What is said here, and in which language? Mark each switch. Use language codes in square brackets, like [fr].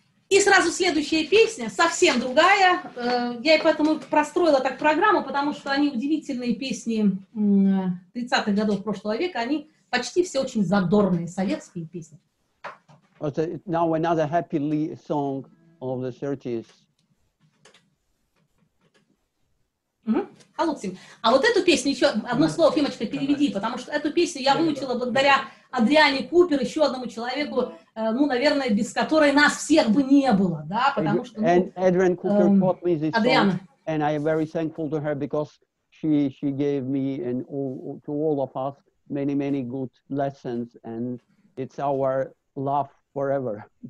[ru] И сразу следующая песня, совсем другая. Я и поэтому простроила так программу, потому что они удивительные песни 30-х годов прошлого века. Они почти все очень задорные советские песни. [en] Also, now another happy song of the 30s. [ru] Халуцим. А вот эту песню еще, одно слово, Фимочка, переведи, потому что эту песню я выучила благодаря Адриане Купер, еще одному человеку, ну, наверное, без которой нас всех бы не было, да, потому что... [en] And Adrian Cooper taught me this song, and I am very thankful to her, because she gave me, and to all of us, many, many good lessons, and it's our love forever.